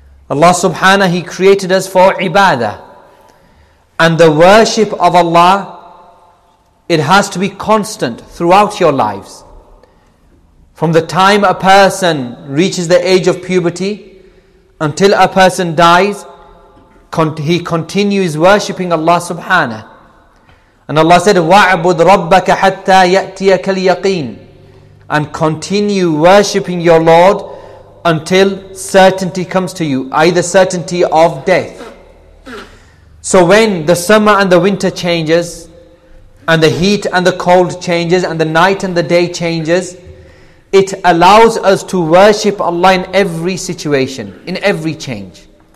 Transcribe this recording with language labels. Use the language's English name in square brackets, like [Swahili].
[English] Allah subhanahu, He created us for ibadah. And the worship of Allah, it has to be constant throughout your lives. From the time a person reaches the age of puberty until a person dies, he continues worshipping Allah subhanahu. And Allah said, [Arabic] وَعْبُدْ رَبَّكَ حَتَّى يَأْتِيَكَ الْيَقِينَ. [English] And continue worshipping your Lord until certainty comes to you, either certainty of death. So when the summer and the winter changes, and the heat and the cold changes, and the night and the day changes, it allows us to worship Allah in every situation, in every change.